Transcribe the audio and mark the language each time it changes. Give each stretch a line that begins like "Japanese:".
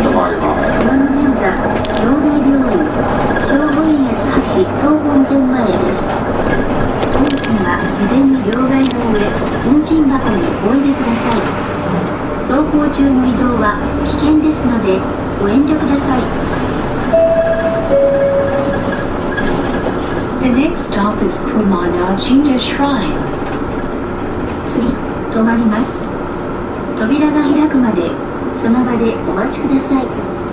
Japanese: 熊野神社京大病院正午院八橋総本店前です。運賃は事前に両替の上運賃箱においでください。走行中の移動は危険ですのでご遠慮ください。
English: The next stop is 熊野神社 Shrine。
Japanese: 次止まります。扉が開くまでその場でお待ちください。